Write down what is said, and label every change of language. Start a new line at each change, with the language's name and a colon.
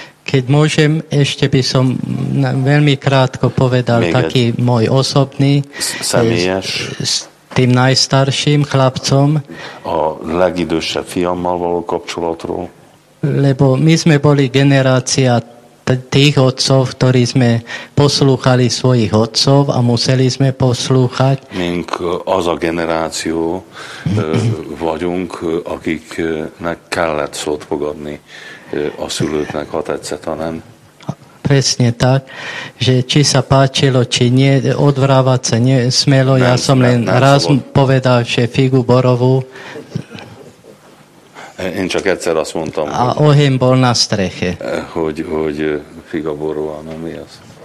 Slovak: Keď môžem, ešte by som veľmi krátko povedal taký môj osobný
Hungarian: személyes
Slovak: s tým najstarším chlapcom.
Hungarian: A legidősebb fiammal való kapcsolatról.
Slovak: Lebo my sme boli generácia tých otcov, ktorí sme poslúchali svojich otcov a museli sme poslúchať.
Hungarian: Mink az a generáció vagyunk, akiknek kellett szót fogadni a szülőknek, ha tetszett, ha nem.
Slovak: Presne tak, že či sa páčilo, či nie, odvrávať sa nesmelo. Ja som len raz povedal, že figu borovú.
Hungarian: Én csak egyszer azt mondtam,
Slovak: a ohém bol na streche.
Hungarian: Hogy
Slovak: figa borová,
Hungarian: nem mi az?